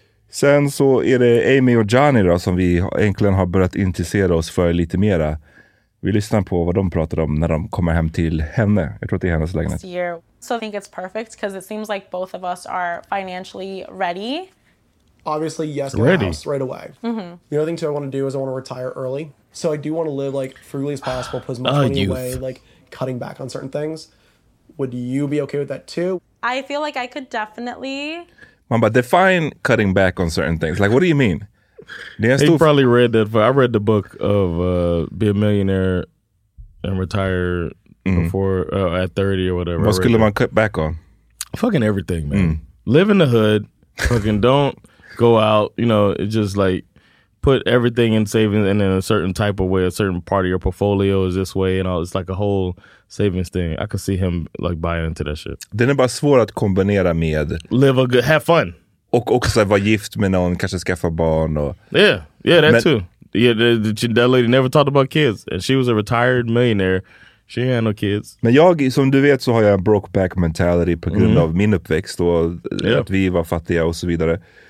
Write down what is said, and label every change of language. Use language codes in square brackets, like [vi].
[sv] Sen så är det Amy och Johnny då som vi egentligen har börjat intressera oss för lite mera. Vi lyssnar på vad de pratar om när de kommer hem till henne. Jag tror att det är hennes lägenhet. [en] So I think it's perfect because it seems like both of us are financially ready. Obviously, yes, get ready. A house right away. Mm-hmm. The other thing too I want to do is I want to retire early. So I do want to live like frugally as possible, put as much money away, like cutting back on certain things. Would you be okay with that too? I feel like I could definitely. Mom, but define cutting back on certain things. Like, what do you mean? He probably read that. I read the book of Be a Millionaire and Retire before at 30 or whatever. What skulle man cut back on? Fucking everything, man. Mm. Live in the hood. Fucking don't go out. You know, it's just like put everything in savings and in a certain type of way, a certain part of your portfolio is this way and all. It's like a whole savings thing. I could see him like buying into that shit. [sv] Den är bara svår att kombinera med. [en] Live a good, have fun. [sv] Och också vara gift med någon, kanske skaffa barn. Och... [en] Yeah, that too. Yeah, that lady never talked about kids. And she was a retired millionaire. She had no kids. [sv] Men jag, som du vet, så har jag en brokeback mentality på grund av min uppväxt och att vi var fattiga och så vidare.